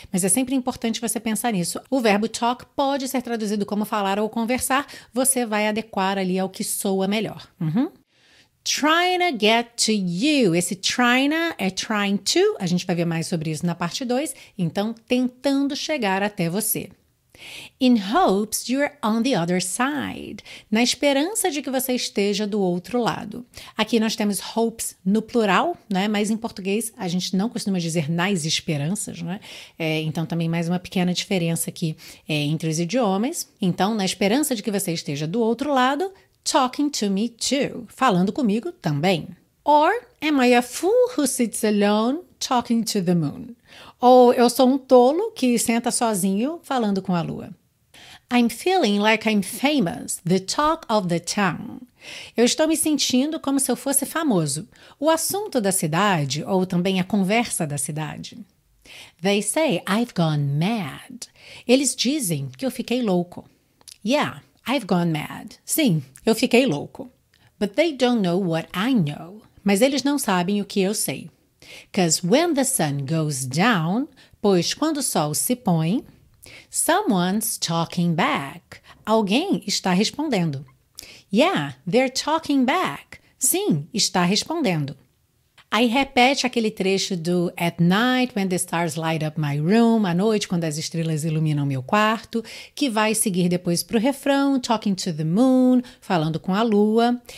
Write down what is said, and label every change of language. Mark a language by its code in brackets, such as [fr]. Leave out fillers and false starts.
[pt] Mas é sempre importante você pensar nisso. O verbo talk pode ser traduzido como falar ou conversar. Você vai adequar ali ao que soa melhor. Uhum. [en] Trying to get to you. [pt] Esse trying to é trying to. A gente vai ver mais sobre isso na parte 2. Então, tentando chegar até você. [en] In hopes you're on the other side. [pt] Na esperança de que você esteja do outro lado. Aqui nós temos hopes no plural, né? Mas em português a gente não costuma dizer nas esperanças, né? Então também mais uma pequena diferença aqui entre os idiomas. Então, na esperança de que você esteja do outro lado, [en] talking to me too. [pt] Falando comigo também. [en] Or, am I a fool who sits alone talking to the moon? [pt] Ou eu sou um tolo que senta sozinho falando com a lua. [en] I'm feeling like I'm famous, the talk of the town. [pt] Eu estou me sentindo como se eu fosse famoso, o assunto da cidade ou também a conversa da cidade. [en] They say I've gone mad. [pt] Eles dizem que eu fiquei louco. [en] Yeah, I've gone mad. [pt] Sim, eu fiquei louco. [en] But they don't know what I know. [pt] Mas eles não sabem o que eu sei. [en] Because when the sun goes down, [pt] Pois quando o sol se põe, [en] someone's talking back. [pt] Alguém está respondendo. [en] Yeah, they're talking back. [pt] Sim, está respondendo. Aí repete aquele trecho do [en] at night when the stars light up my room, [pt] à noite quando as estrelas iluminam meu quarto, que vai seguir depois para o refrão, [en] talking to the moon, [pt] falando com a lua.